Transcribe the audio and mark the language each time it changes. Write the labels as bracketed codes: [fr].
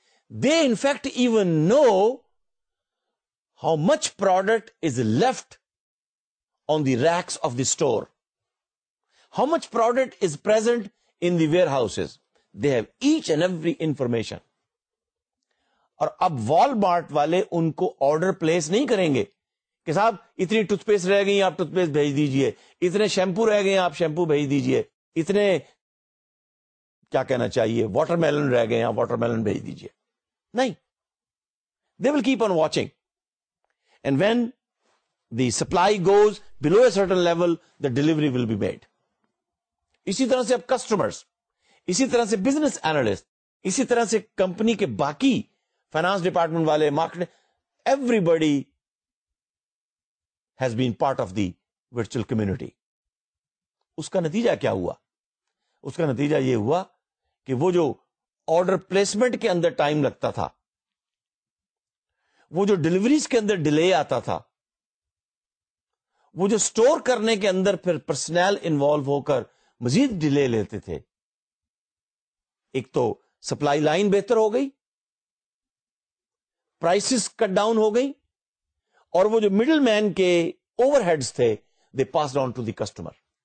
[en] They in fact even know how much product is left on the racks of the store, how much product is present in the warehouses. They have each and every information. [ur] اور اب Walmart والے ان کو order place نہیں کریں گے کہ صاحب اتنی ٹوتھ پیسٹ رہ گئی آپ ٹوتھ پیسٹ بھیج دیجئے, اتنے شیمپو رہ گئے آپ شیمپو بھیج دیجئے, اتنے کیا کہنا چاہیے واٹر میلن رہ گئے آپ واٹر میلن بھیج دیجئے. نہیں, [en] They will keep on watching and when the supply goes below a certain level the delivery will be made. [ur] اسی طرح سے اب کسٹمرز, اسی طرح سے بزنس اینالسٹ, اسی طرح سے کمپنی کے باقی فائنانس ڈپارٹمنٹ والے, market, [en] Everybody has been part of the virtual community. [ur] اس کا نتیجہ کیا ہوا؟ اس کا نتیجہ یہ ہوا کہ وہ جو آرڈر پلیسمنٹ کے اندر ٹائم لگتا تھا, وہ جو ڈلیوریز کے اندر ڈیلے آتا تھا, وہ جو اسٹور کرنے کے اندر پھر پرسنل انوالو ہو کر مزید ڈیلے لیتے تھے, ایک تو سپلائی لائن بہتر ہو گئی, پرائسز کٹ ڈاؤن ہو گئی, اور وہ جو مڈل مین کے اوور ہیڈز تھے [en] They pass on to the customer.